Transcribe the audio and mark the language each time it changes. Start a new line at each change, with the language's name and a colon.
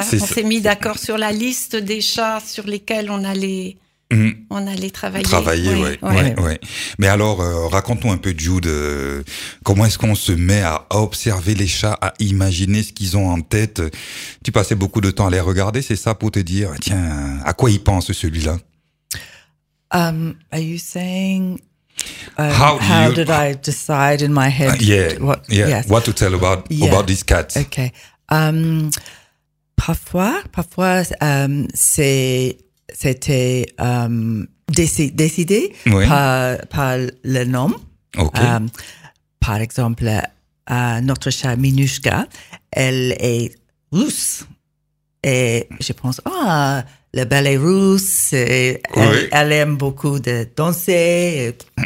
French: On s'est mis d'accord sur la liste des chats sur lesquels on allait travailler. Mais alors, raconte-nous un peu, Jude, comment est-ce qu'on se met à observer les chats, à imaginer ce qu'ils ont en tête? Tu passais beaucoup de temps à les regarder, c'est ça, pour te dire, tiens, à quoi il pense celui-là?
English: Are you saying... How did I decide in my head? What to tell about these cats? Okay.
French: Parfois, c'était décidé par le nom.
English: Okay.
French: Par exemple, notre chat Minushka, elle est russe, et je pense le ballet russe, elle aime beaucoup de danser.